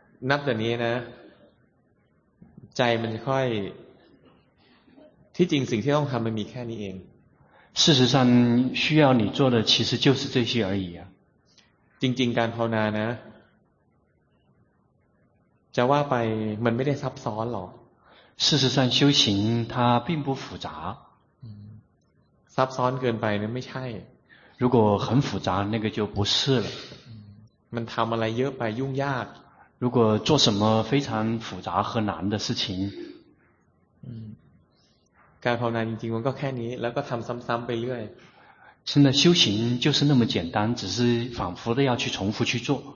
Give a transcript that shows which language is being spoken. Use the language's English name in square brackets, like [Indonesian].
[Thai] นับแต่นี้นะใจมันค่อยที่จริงสิ่งที่ต้องทำมันมีแค่นี้เอง [Chinese] 事实上需要你做的其实就是这些而已啊 [Thai] จริงๆการภาวนานะจะว่าไปมันไม่ได้ซับซ้อนหรอก [Chinese] 事实上修行它并不复杂 [Thai] ซับซ้อนเกินไปนั้นไม่ใช่ [Chinese] 如果很复杂那个就不是了 [Thai] มันทำอะไรเยอะไปยุ่งยาก [Chinese] 如果做什么非常复杂和难的事情 [Thai] การภาวนาจริงๆมันก็แค่นี้แล้วก็ทำซ้ำๆไปเรื่อย [Chinese] 真的修行就是那么简单只是反复的要去重复去做